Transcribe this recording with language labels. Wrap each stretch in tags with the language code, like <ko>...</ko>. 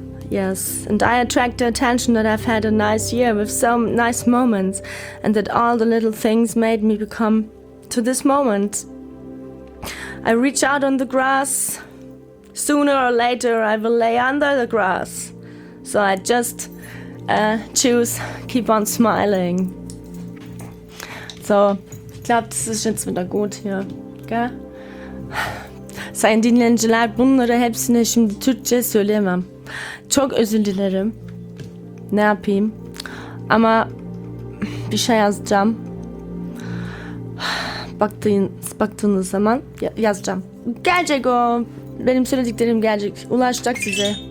<en>Yes, and I attract the attention that I've had a nice year with some nice moments, and that all the little things made me become to this moment. I reach out on the grass. Sooner or later, I will lay under the grass. So I just choose, keep on smiling.</en> <de>So, ich glaube, das ist jetzt wieder gut hier, gell?</de> <tr>Sayın dinleyiciler, bunları hepsini şimdi Türkçe söyleyemem. Çok özür dilerim. Ne yapayım? Ama bir şey yazacağım. Baktığınız zaman yazacağım. Gelecek o. Benim söylediklerim gelecek. Ulaşacak size.</tr>